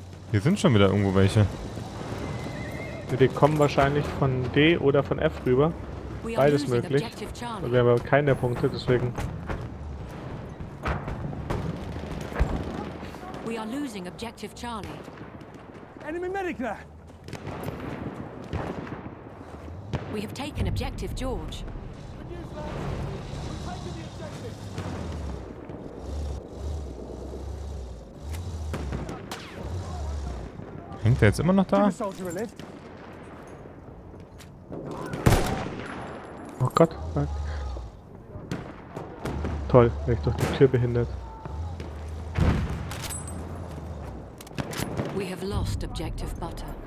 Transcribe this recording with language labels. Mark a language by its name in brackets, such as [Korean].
[German] Hier sind schon wieder irgendwo welche. Die kommen wahrscheinlich von D oder von F rüber. Beides möglich. Und wir haben aber keinen der Punkte, deswegen. [English] We are losing objective Charlie. Enemy medic there. We have taken objective George. [German] Hängt der jetzt immer noch da? Oh Gott. Toll, wäre ich durch die Tür behindert. [English] We have lost objective butter.